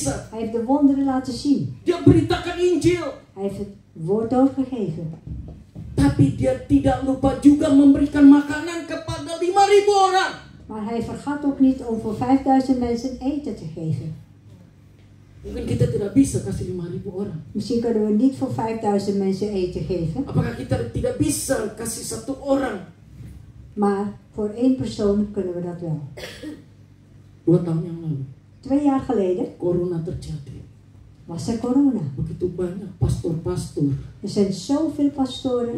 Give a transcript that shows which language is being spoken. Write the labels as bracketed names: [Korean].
[Dutch] Hij heeft de wonderen laten zien. [Indonesian] Dia beritakan Injil. [Dutch] Hij heeft het woord doorgegeven. [Indonesian] Tapi dia tidak lupa juga memberikan makanan kepada 5.000 orang. [Dutch] Maar hij vergat ook niet om voor 5.000 mensen eten te geven. [Indonesian] Mungkin kita tidak bisa kasih 5.000 orang. [Dutch] Misschien kunnen we niet voor 5.000 mensen eten geven. [Indonesian] Apakah kita tidak bisa kasih 1 orang? [Dutch] Maar voor 1 persoon kunnen we dat wel. [Indonesian] 2 tahun yang lalu. [Dutch] 2 jaar geleden. [Indonesian] Corona terjadi. [Dutch] Was er corona? [Indonesian] Begitu banyak pastor-pastor. [Dutch] Er zijn zoveel pastoren.